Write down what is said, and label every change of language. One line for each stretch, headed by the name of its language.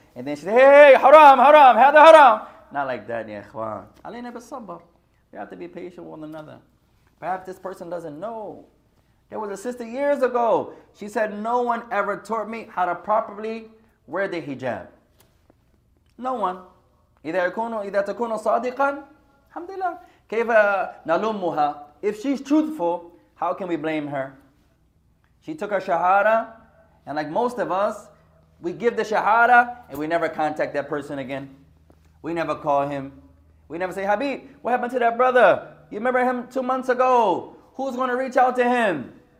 English: And then she say, hey, haram, haram,
Arabic: hada haram.
English: Not like that, ya ikhwan.
Arabic: Alayna bis sabr.
English: You have to be patient with one another. Perhaps this person doesn't know. There was a sister years ago. She said, no one ever taught me how to properly wear the hijab. No one.
Arabic: إِذَا يَكُونُ إِذَا تَكُونُ صَادِقًا الحمد لله كَيْفَ نَلُمُّهَا.
English: If she's truthful, how can we blame her? She took her shahada, and like most of us, we give the shahada, and we never contact that person again. We never call him. We never say, Habib, what happened to that brother? You remember him 2 months ago? Who's going to reach out to him?